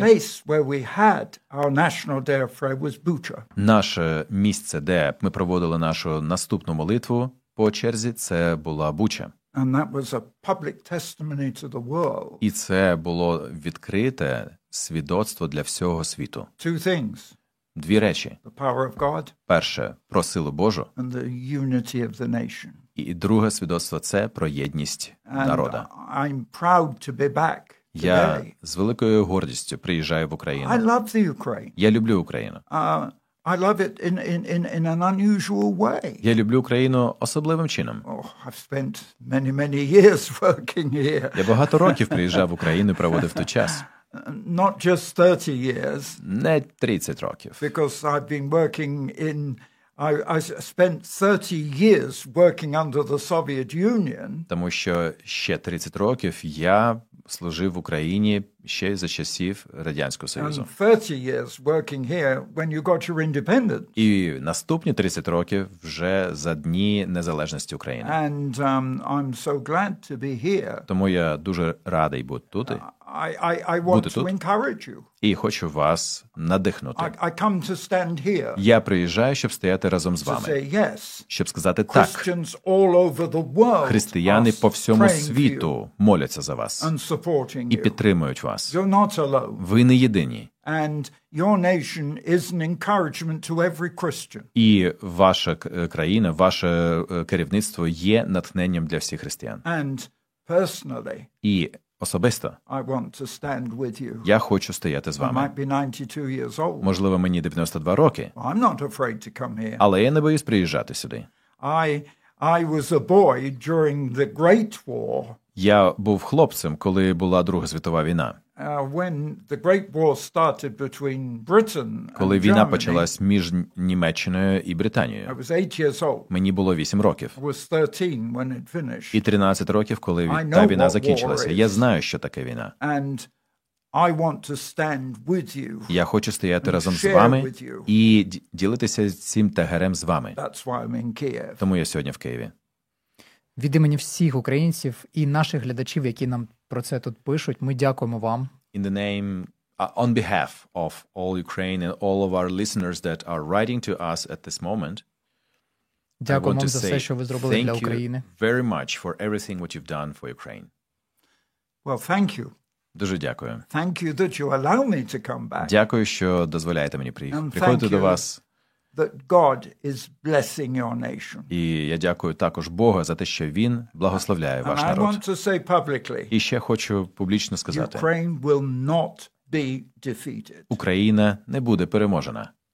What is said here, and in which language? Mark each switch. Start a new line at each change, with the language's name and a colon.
English: place where we had our national day of prayer was Bucha.
Ukrainian: Наше місце, де ми проводили нашу наступну молитву по черзі, це була Буча.
English: And that was a public testimony to the world.
Ukrainian: І це було відкрите свідоцтво для всього світу.
English: Two things.
Ukrainian: Дві речі.
English: The power of God.
Ukrainian: Перше, про силу Божу.
English: And the unity of the nation.
Ukrainian: І друге свідоцтво – це про єдність народу.
English: I'm proud to be back today.
Ukrainian: Я з великою гордістю приїжджаю в Україну.
English: I love the Ukraine.
Ukrainian: Я люблю Україну.
English: I love it in an unusual way.
Ukrainian: Я люблю Україну особливим чином.
English: Oh, I've spent many years working here.
Ukrainian: Я багато років приїжджав в Україну і проводив тут час.
English: Not just 30 years.
Ukrainian: Не 30 років.
English: Because I've been working in I spent 30 years working under the Soviet Union.
Ukrainian: Тому що ще 30 років я служив в Україні ще за часів Радянського Союзу.
English: And 30 years working here when you got your independence.
Ukrainian: І наступні 30 років вже за дні незалежності України.
English: And I'm so glad to be here.
Ukrainian: Тому я дуже радий бути тут.
English: I want to encourage you.
Ukrainian: І хочу вас надихнути.
English: I come to stand here.
Ukrainian: Я приїжджаю, щоб стояти разом з вами.
English: To say yes.
Ukrainian: Щоб сказати так.
English: Christians all over the world.
Ukrainian: Християни по всьому світу моляться за вас.
English: And supporting you.
Ukrainian: І підтримують вас.
English: You're not alone.
Ukrainian: Ви не єдині.
English: And your nation is an encouragement to every Christian.
Ukrainian: І ваша країна, ваше керівництво є натхненням для всіх християн.
English: And personally.
Ukrainian: І особисто.
English: I want to stand with you.
Ukrainian: Я хочу стояти з вами.
English: I might be 92 years old.
Ukrainian: Можливо, мені 92 роки.
English: I'm not afraid to come here.
Ukrainian: Але я не боюсь приїжджати сюди.
English: I was a boy during the Great War.
Ukrainian: Я був хлопцем, коли була Друга світова війна.
English: When the Great War started between Britain and Germany.
Ukrainian: Коли війна почалась між Німеччиною і Британією.
English: I was 8 years old.
Ukrainian: Мені було 8 років.
English: I was 13 when it finished.
Ukrainian: І 13 років, коли та війна закінчилася. Я знаю, що таке війна.
English: And I want to stand with you.
Ukrainian: Я хочу стояти разом з вами і ділитися цим тегерем з вами.
English: That's why I'm in Kiev.
Ukrainian: Тому я сьогодні в Києві. Від імені всіх українців і наших глядачів, які нам про це тут пишуть, ми дякуємо вам.
English: In the name, on behalf of all Ukraine and all of our listeners that are writing to us at this moment,
Ukrainian: дякуємо вам за все, що ви зробили для України.
English: Thank you very much for everything what you've done for Ukraine. Well, thank you.
Ukrainian: Дуже дякую.
English: Thank you that you allow me to come back.
Ukrainian: Дякую, що дозволяєте мені приходити до вас.
English: That God is blessing your nation.
Ukrainian: І я дякую також Богу за те, що Він благословляє ваш
English: And
Ukrainian: народ.
English: I want to say publicly,
Ukrainian: і ще хочу публічно сказати.
English: Ukraine will not be defeated.
Ukrainian: Україна не буде переможена.